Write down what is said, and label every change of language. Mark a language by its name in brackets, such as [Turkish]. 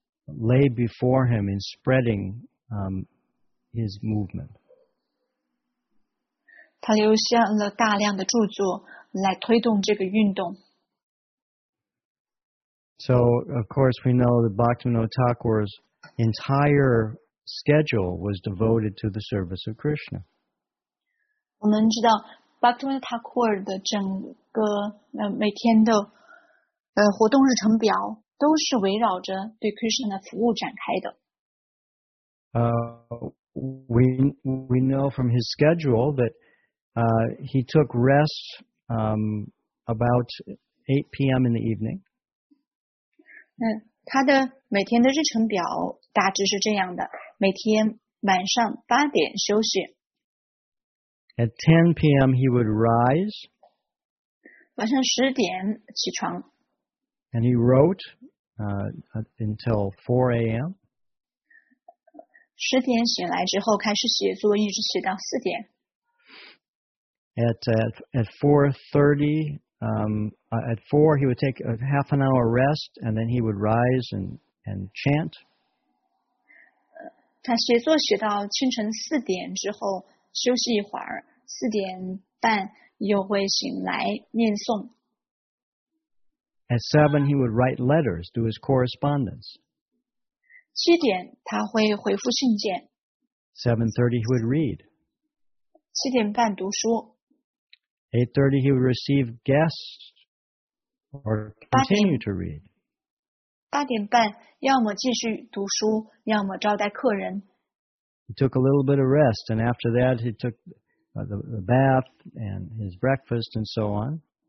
[English] Lay before him in spreading his movement. [Chinese] 他留下了大量的著作来推动这个运动。 [English] So, of course, we know that Bhaktivinoda Thakur's entire schedule was devoted to the service of Krishna. [Chinese] 我们知道 Bhaktivinoda Thakur 的整个每天的活动日程表。都是围绕着对 Krishna 的服务展开的。 [English] We know from his schedule that he took rest about 8 p.m. in the evening. [Chinese] 他的每天的日程表大致是这样的，每天晚上八点休息。 [English] At 10 p.m. he would rise. [Chinese] 晚上十点起床。 [English] And he wrote. Until 4 a.m. [Chinese] 十点醒来之后开始写作，一直写到四点。 [English] At 4:30, at 4 he would take a half an hour rest, and then he would rise and chant. [Chinese] 他写作写到清晨四点之后休息一会儿，四点半又会醒来念诵。 [English] At 7, he would write letters to his correspondence. [Chinese] 7点他会回复信件。 [English] 7:30, he would read. [Chinese] 7:30读书。 [English] 8:30 he would receive guests or continue to read. [Chinese] 8:30要么继续读书要么招待客人。 [English] He took a little bit of rest and after that he took the bath and his breakfast and so on.